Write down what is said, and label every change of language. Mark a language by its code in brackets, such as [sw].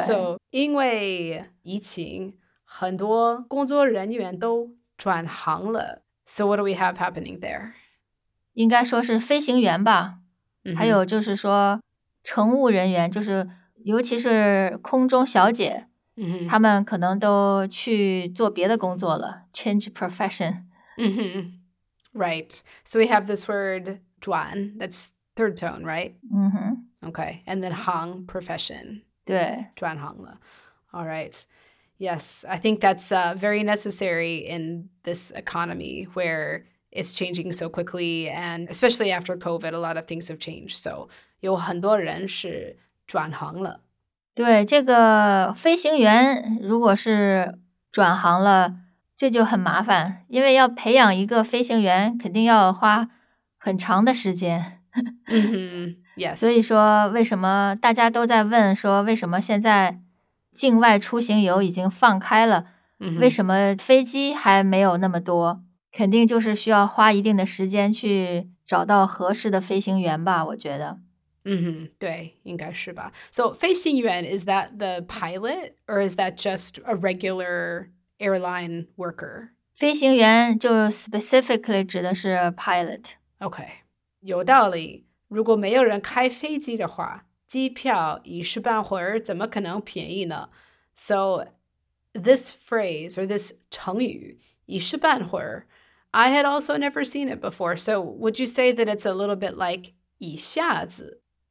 [zh] So, 因为疫情，很多工作人员都转行了。 [en] So, what do we have happening there? [zh] 应该说是飞行员吧。 Mm-hmm. 还有就是说乘务人员，就是尤其是空中小姐，他、 mm-hmm. 们可能都去做别的工作了。 [en] Change profession. Mm-hmm. Right. So, we have this word 转, that's third tone, right? Mm-hmm. Okay, and then hang profession. [zh] 对，转行了。 [en] All right. Yes, I think that's very necessary in this economy where it's changing so quickly, and especially after COVID, a lot of things have changed. [zh] So, 有很多人是转行了。对，这个飞行员如果是转行了，这就很麻烦，因为要培养一个飞行员，肯定要花很长的时间。 [en] Mm-hmm. Yes. [zh] 所以说为什么大家都在问说为什么现在境外出行游已经放开了、 mm-hmm. 为什么飞机还没有那么多，肯定就是需要花一定的时间去找到合适的飞行员吧，我觉得。嗯、mm-hmm. 对，应该是吧。 [en] So, 飞行员 is that the pilot or is that just a regular airline worker? [zh] 飞行员就 specifically 指的是 pilot. [en] Okay. [zh] 有道理，如果没有人开飞机的话，机票一时半会儿怎么可能便宜呢？ [en] So, this phrase, or this 成语,一时半会儿, I had also never seen it before. So, would you say that it's a little bit like 一下子?